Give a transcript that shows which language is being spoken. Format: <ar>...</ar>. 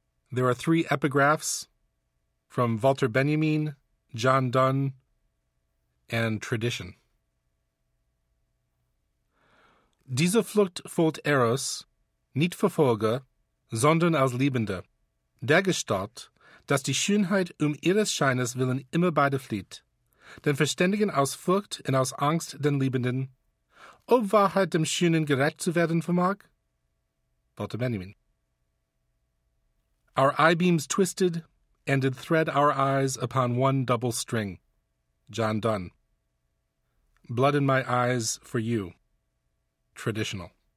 <en>There are three epigraphs from Walter Benjamin, John Donne, and Tradition.</en> <de>Diese Flucht folgt Eros, nicht verfolge, sondern als Liebende, dergestalt, dass die Schönheit ihres Scheines willen immer beide flieht, den Verständigen aus Furcht und aus Angst den Liebenden, ob Wahrheit dem Schönen gerecht zu werden vermag?</de> <en>Walter Benjamin. Our eye beams twisted, and did thread our eyes upon one double string. John Donne. Blood in my eyes for you. Traditional.</en>